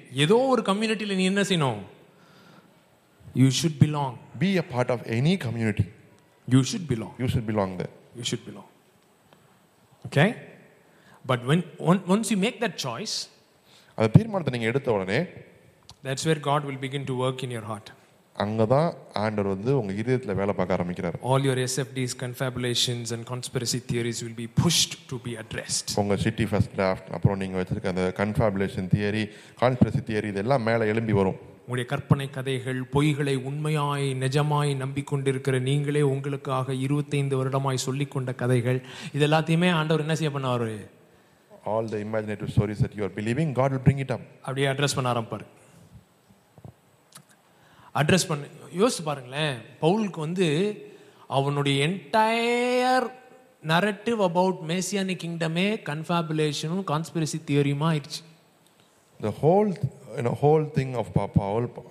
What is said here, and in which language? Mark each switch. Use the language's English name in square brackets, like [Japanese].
[Tamil] edho or community la nee enna seinom [English] you should belong be a part of any community you should belong okay but when once you make that choice [Tamil] adha theermanatha neenga edutha odane [English] that's where god will begin to work in your heart [Tamil] அங்கதான் ஆண்டவர் வந்து உங்க இதயத்துல வேலை பார்க்க ஆரம்பிக்கிறார். [English] All your SFDs, confabulations and conspiracy theories will be pushed to be addressed. [Tamil] உங்க city first draft அப்புறம் நீங்க வச்சிருக்க அந்த கன்ஃபேபுலேஷன் தியரி, கான்ஸ்பிரசி தியரி இதெல்லாம் மேலே எழும்பி வரும். உங்களுடைய கற்பனை கதைகள், பொய்களை உண்மையாய் நிஜமாய் நம்பிக்கொண்டிருக்கிற நீங்களே, உங்களுக்காக 25 வருடமாய் சொல்லிக் கொண்ட கதைகள் இதெல்லாத்தையுமே ஆண்டவர் என்ன செய்ய பண்ணுவார்? [English] All the imaginative stories that you are believing, God will bring it up. [Tamil] அப்படியே அட்ரஸ் பண்ண ஆரம்பிப்பார். அட்ரஸ் பண்ண யோசிச்சு பாருங்களேன், பவுலுக்கு வந்து அவனுடைய entire narrative about Messianic கிங்டமே கன்ஃபேபுலேஷனும் conspiracy தியரியும் ஆயிடுச்சு. [English] The whole, you know, whole thing of Paul,